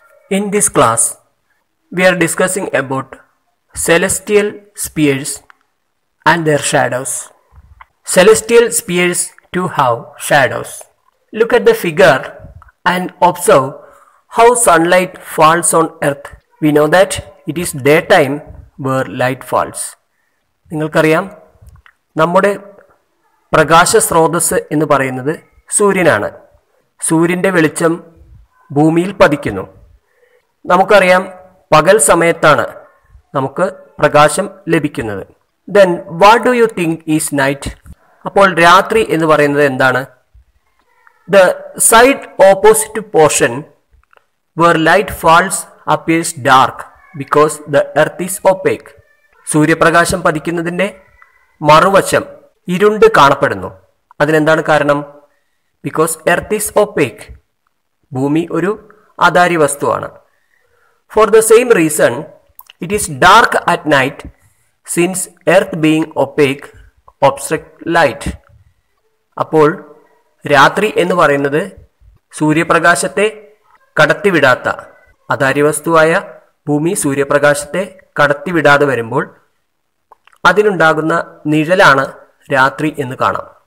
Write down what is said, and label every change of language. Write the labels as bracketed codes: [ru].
[en] In this class, we are discussing about celestial spheres and their shadows. Celestial spheres do have shadows. Look at the figure and observe how sunlight falls on Earth. We know that it is daytime where light falls. [ml] നിങ്ങൾക്കറിയാം നമ്മുടെ പ്രകാശ സ്രോതസ് എന്ന് പറയുന്നത് സൂര്യനാണ്. സൂര്യൻ്റെ വെളിച്ചം ഭൂമിയിൽ പതിക്കുന്നു. നമുക്കറിയാം പകൽ സമയത്താണ് നമുക്ക് പ്രകാശം ലഭിക്കുന്നത്. [en] Then what do you think is night? [ml] അപ്പോൾ രാത്രി എന്ന് പറയുന്നത് എന്താണ്? [en] The side opposite portion where light falls appears dark because the earth is opaque. [ml] സൂര്യപ്രകാശം പതിക്കുന്നതിൻ്റെ മറുവശം ഇരുണ്ട് കാണപ്പെടുന്നു. അതിനെന്താണ് കാരണം? [en] because earth is opaque, [ml] ഭൂമി ഒരു അധാരി വസ്തുവാണ്. [en] For the same reason, it is dark at night since earth being opaque obstructs light. [ml] അപ്പോൾ രാത്രി എന്ന് പറയുന്നത് സൂര്യപ്രകാശത്തെ കടത്തിവിടാത്ത അധാരി വസ്തുവായ ഭൂമി സൂര്യപ്രകാശത്തെ കടത്തിവിടാതെ വരുമ്പോൾ അതിനുണ്ടാകുന്ന നിഴലാണ് രാത്രി എന്ന് കാണാം.